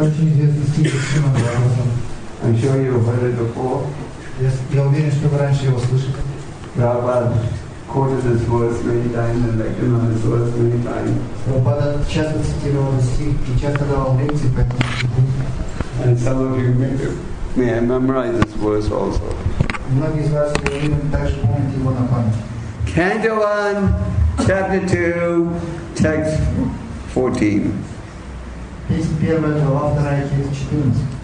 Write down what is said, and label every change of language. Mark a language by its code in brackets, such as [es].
[en] I'm sure you've heard it before. [ru] Yes, я уверен, что вы раньше его слышали. [en] Prabhupada quoted this verse many times and lectured on this verse many times. [ru] Prabhupada часто цитировал стих и часто давал лекции по этому стиху. [en] And some of you may have memorized this verse also. [ru] Многие из вас также помнят его на память. [en] Canto 1, chapter 2, text 14. [ru] Песнь первая, глава вторая, текст 14.